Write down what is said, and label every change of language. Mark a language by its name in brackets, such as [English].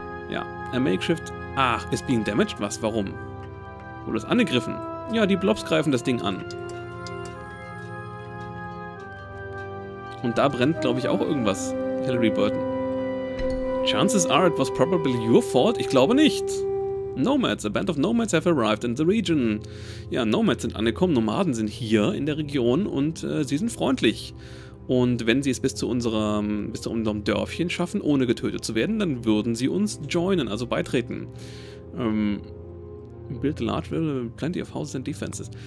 [German] Ja, [English] a makeshift... [German] Ach, ist [English] being damaged? [German] Was? Warum? Wurde es angegriffen? Ja, die Blobs greifen das Ding an. Und da brennt, glaube ich, auch irgendwas, Hillary Burton. [English] Chances are it was probably your fault? [German] Ich glaube nicht. [English] Nomads, a band of nomads have arrived in the region. [German] Ja, Nomads sind angekommen, Nomaden sind hier in der Region und sie sind freundlich. Und wenn sie es bis zu unserem Dörfchen schaffen, ohne getötet zu werden, dann würden sie uns joinen, also beitreten. [English] Build a large village, plenty of houses and defenses.